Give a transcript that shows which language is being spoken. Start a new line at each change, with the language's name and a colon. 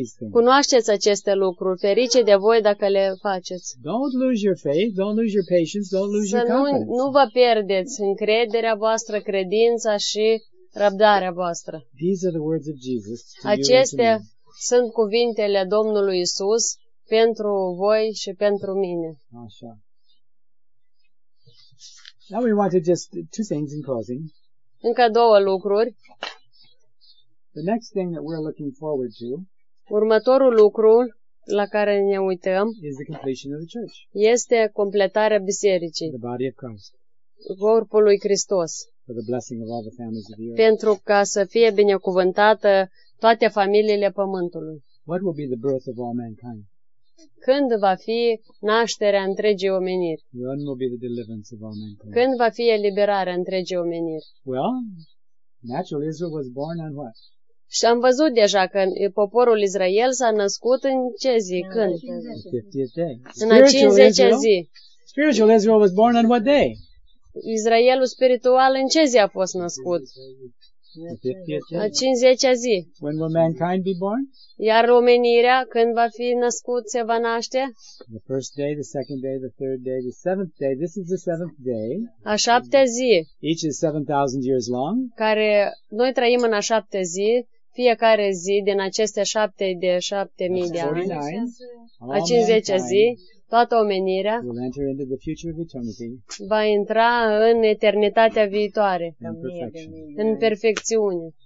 Romanian: cunoașteți aceste lucruri, ferice de voi dacă le faceți.
English: Don't lose your faith, don't lose your patience, don't lose your confidence.
Romanian: Să nu vă pierdeți încrederea voastră, credința și răbdarea voastră.
English: These are the words of Jesus to you.
Romanian: Acestea sunt cuvintele Domnului Isus pentru voi și pentru mine. Așa.
English: Now we want to just two things in closing.
Romanian: Încă două lucruri.
English: The next thing that we're looking forward to.
Romanian: Următorul lucru la care ne uităm.
English: Is the completion of the church.
Romanian: Este completarea bisericii.
English: The body of Christ.
Romanian: Corpul lui Hristos.
English: For the blessing of all the families of the earth.
Romanian: Pentru ca să fie binecuvântată toate familiile pământului.
English: What will be the birth of all mankind?
Romanian: Când va fi nașterea întregii omeniri?
English: When will be the deliverance of all mankind?
Romanian: Când va fi eliberarea întregii omeniri?
English: Well, naturally Israel was born on what?
Romanian: Și am văzut deja că poporul Israel s-a născut în ce zi? Când? În a 50-a zi.
English: Spiritual Israel was born on what day?
Romanian: Israelul spiritual în ce zi a fost născut? A 50-a zi.
English: When will mankind be born?
Romanian: Iar omenirea când va fi născut, se va naște?
English: The first day, the second day, the third day, the seventh day. This is the seventh day.
Romanian: A șaptea zi.
English: Each is 7,000 years long.
Romanian: Care noi trăim în a șaptea zi, fiecare zi din aceste șapte de 7,000 de ani. A 50-a zi. Toată omenirea
English: will enter into the future of eternity,
Romanian: va intra în eternitatea viitoare, în perfecțiune,